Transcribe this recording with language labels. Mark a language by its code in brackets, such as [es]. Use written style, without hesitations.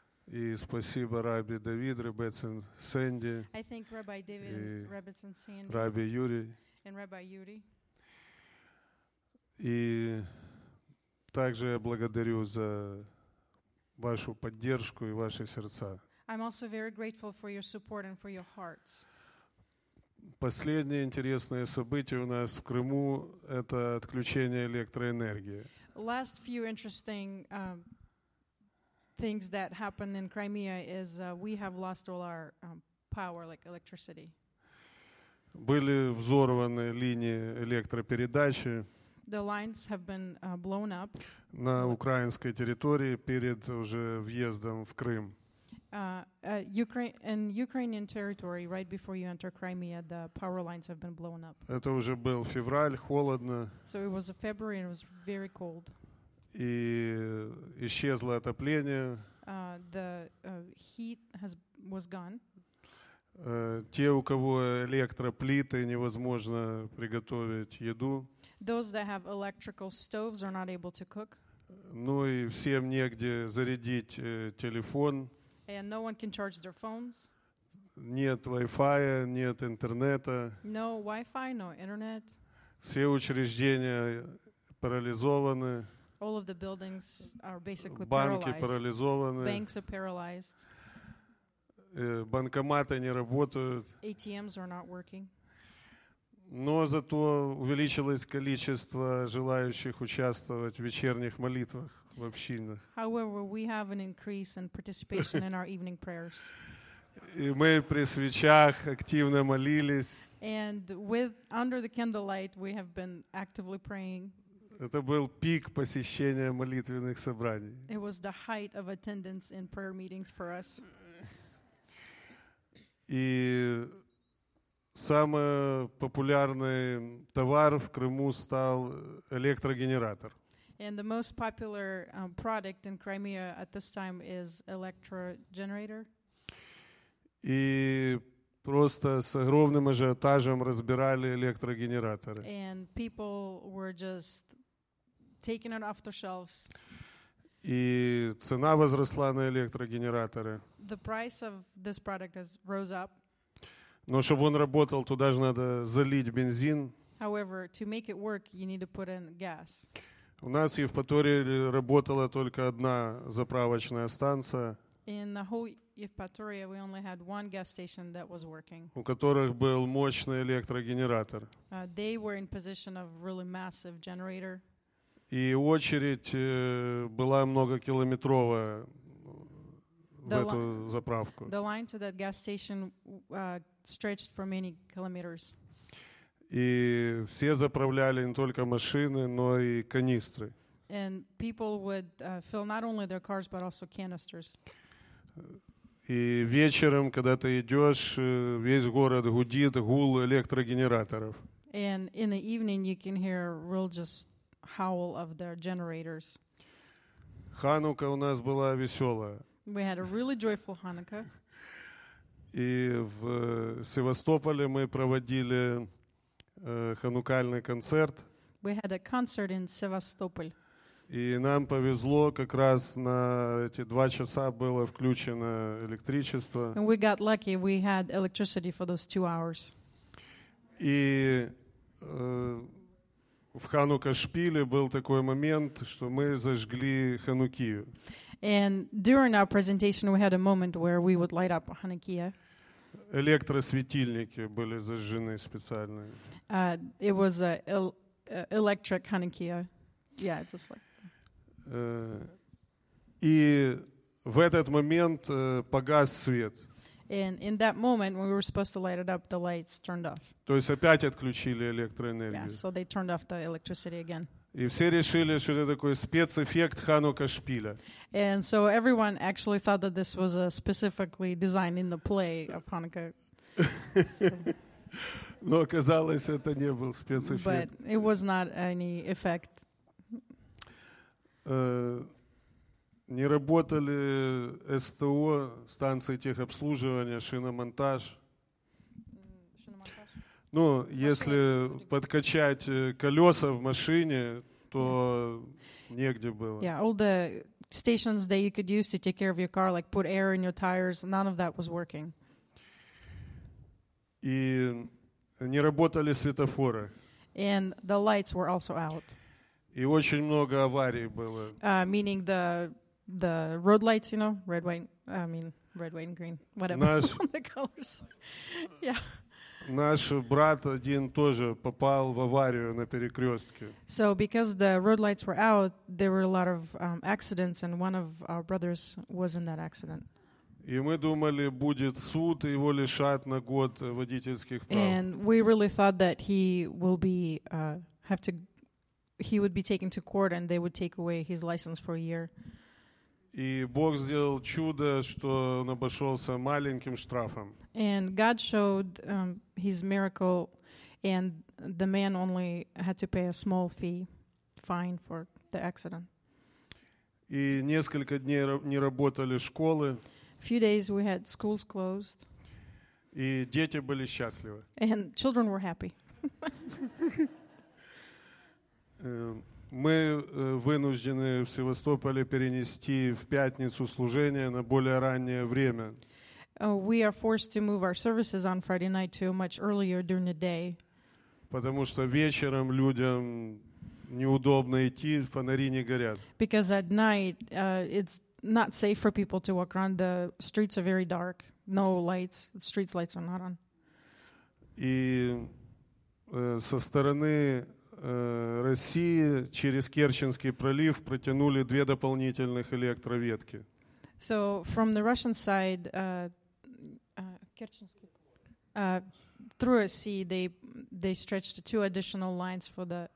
[ru] И спасибо Рабби Давид, Рабби Сэнди. [en] I thank Rabbi David, Rabbi Sandy. [ru] Рабби Юрий. [en] And Rabbi Yuri. [ru] И также я благодарю за вашу поддержку и ваши сердца. [en] I'm also very grateful for your support and for your hearts. [ru] Последнее интересное событие у нас в Крыму — это отключение электроэнергии. [en] Last few interesting things that happened in Crimea is we have lost all our power, like electricity. [ru] Были взорваны линии электропередачи. [en] The lines have been blown up. [ru] На украинской территории перед уже въездом в Крым. [en] In Ukrainian territory, right before you enter Crimea, the power lines have been blown up. [ru] Это уже был февраль, холодно. [en] So it was a February and it was very cold. [ru] И исчезло отопление. [en] The heat was gone. [ru] Те, у кого электроплиты, невозможно приготовить еду. [en] Those that have electrical stoves are not able to cook. [ru] Ну и всем негде зарядить телефон. [en] And no one can charge their phones. [ru] Нет Wi-Fi, нет интернета. [en] No Wi-Fi, no internet. [ru] Все учреждения парализованы. [en] All of the buildings are basically [ru] банки [en] paralyzed. [ru] Парализованы. [en] Banks are paralyzed. [ru] Банкоматы не работают. [en] ATMs are not working. [ru] Но зато увеличилось количество желающих участвовать в вечерних молитвах в общинах. [en] However, we have an increase in participation in our evening prayers. [ru] И мы при свечах активно молились. [en] And with under the candlelight, we have been actively praying. [ru] Это был пик посещения молитвенных собраний. [en] It was the height of attendance in prayer meetings for us. [ru] И самый популярный товар в Крыму стал электрогенератор. [en] And the most popular product in Crimea at this time is electrogenerator. [ru] И просто с огромным ажиотажем разбирали электрогенераторы. [en] And people were just taking it off the shelves. [ru] И цена возросла на электрогенераторы. [en] The price of this product has rose up. [ru] Но чтобы он работал, туда же надо залить бензин. [en] However, to make it work, you need to put in gas. [ru] У нас в Евпатории работала только одна заправочная станция. [en] In the whole Евпатория we only had one gas station that was working. [ru] У которых был мощный электрогенератор. [en] They were in position of really massive generator. [ru] И очередь была многокилометровая в эту заправку. [en] The line to that gas station stretched for many kilometers. [ru] И все заправляли не только машины, но и канистры. [en] And people would fill not only their cars but also canisters. [ru] И вечером, когда ты идешь, весь город гудит, гул электрогенераторов. [en] And in the evening you can hear real just howl of their generators. [ru] Ханука у нас была веселая. [en] We had a really joyful Hanukkah. [ru] И в Севастополе мы проводили ханукальный концерт. [en] We had a concert in Sevastopol. [ru] И нам повезло, как раз на эти два часа было включено электричество. [en] And we got lucky, we had electricity for those two hours. [ru] И в Ханука-шпиле был такой момент, что мы зажгли Ханукию. [en] And during our presentation, we had a moment where we would light up Ханукия. [ru] Электросветильники были зажжены специально. [en] It was a electric Hanukkah. Yeah, just like. [ru] И в этот момент погас свет. [en] And in that moment when we were supposed to light it up, the lights turned off. [ru] То есть опять отключили электроэнергию. [en] Yeah, so they turned off the electricity again. [ru] И все решили, что это такой спецэффект Ханука шпиля. [en] And so everyone actually thought that this was a specifically designed in the play of Hanukkah. [ru] Но оказалось, это не был спецэффект. [en] But it was not any effect. [ru] Не работали СТО, станции техобслуживания, шиномонтаж. Ну, если подкачать колеса в машине, то негде было. [en] Yeah, all the stations that you could use to take care of your car, like put air in your tires, none of that was working. [ru] И не работали светофоры. [en] And the lights were also out. [ru] И очень много аварий было. [en] Meaning the road lights, you know, red, white, I mean, red, white, and green, whatever. [ru] Наш [en] the colors. Yeah. [ru] Наш брат один тоже попал в аварию на перекрестке. [en] So because the road lights were out, there were a lot of accidents, and one of our brothers was in that accident. [ru] И мы думали, будет суд, его лишат на год водительских прав. [en] And we really thought that he will be have to, he would be taken to court, and they would take away his license for a year. [ru] И Бог сделал чудо, что он обошелся маленьким штрафом. [en] And God showed his miracle, and the man only had to pay a small fine for the accident. [ru] И несколько дней не работали школы. [en] A few days we had schools closed. [ru] И дети были счастливы. [en] And children were happy. [ru] Мы вынуждены в Севастополе перенести в пятницу служение на более раннее время. [en] We are forced to move our services on Friday night to much earlier during the day. [ru] Потому что вечером людям неудобно идти, фонари не горят. [en] Because at night it's not safe for people to walk around. The streets are very dark. No lights. The streets lights are not on. [ru] И со стороны России через Керченский пролив протянули две дополнительных электроветки. [en] So from the Russian side, Керченский, through a sea, they stretched two additional lines for the